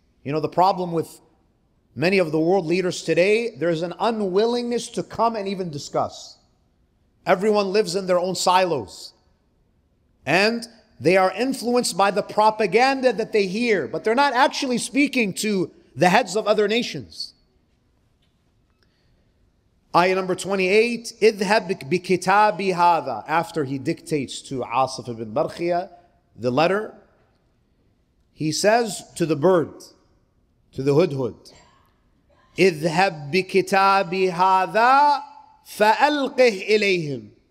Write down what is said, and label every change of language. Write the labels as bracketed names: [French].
[English] You know, the problem with many of the world leaders today, there's an unwillingness to come and even discuss. Everyone lives in their own silos. And they are influenced by the propaganda that they hear, but they're not actually speaking to the heads of other nations. Ayah number 28, [Arabic] اذهب بكتابي هذا. [English] After he dictates to Asif ibn Barkhiya the letter, he says to the bird, to the hudhud, [Arabic] اذهب بكتابي هذا فألقه إليهم.